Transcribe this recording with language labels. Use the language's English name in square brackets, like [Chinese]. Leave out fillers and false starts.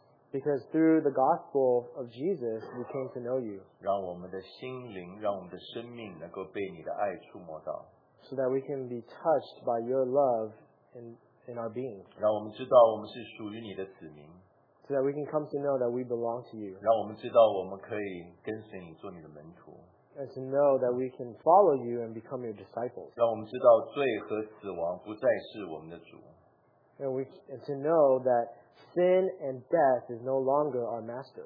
[English] Because through the gospel of Jesus, we came to know you. [Chinese] 让我们的心灵,让我们的生命能够被你的爱触摸到。 [English] So that we can be touched by your love in our being. [Chinese] 让我们知道我们是属于你的子民。 [English] So that we can come to know that we belong to you. And to know that we can follow you and become your disciples. And, to know that sin and death is no longer our master.